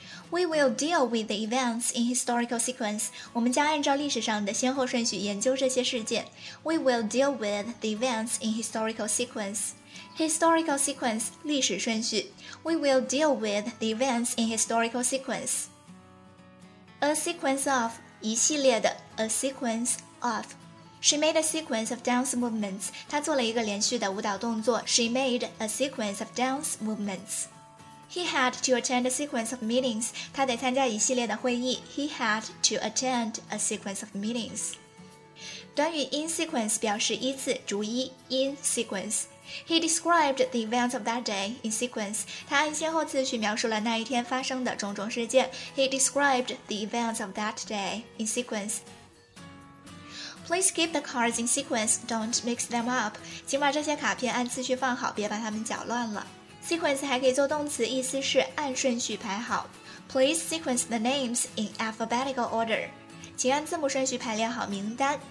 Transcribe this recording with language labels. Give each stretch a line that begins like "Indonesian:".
English: We will deal with the events in historical sequence。
Chinese: 我们将按照历史上的先后顺序研究这些事件。
English: We will deal with the events in historical sequence。 Historical sequence,
Chinese: 历史顺序。
English: We will deal with the events in historical sequence. A sequence of,
Chinese: 一系列的
English: a sequence of. She made a sequence of dance movements.
Chinese: 她做了一个连续的舞蹈动作。
English: She made a sequence of dance movements. He had to attend a sequence of meetings.
Chinese: 她得参加一系列的会议。
English: He had to attend a sequence of meetings.
Chinese: 短语
English: in sequence
Chinese: 表示依次、逐一
English: in sequence. He described the events of that day in sequence.
Chinese: 他按先后次序描述了那一天发生的种种事件。
English: He described the events of that day in sequence. Please keep the cards in sequence. Don't mix them up.
Chinese: 请把这些卡片按次序放好，别把它们搅乱了。 Sequence 还可以做动词，意思是按顺序排好。
English: Please sequence the names in alphabetical order.
Chinese: 请按字母顺序排列好名单。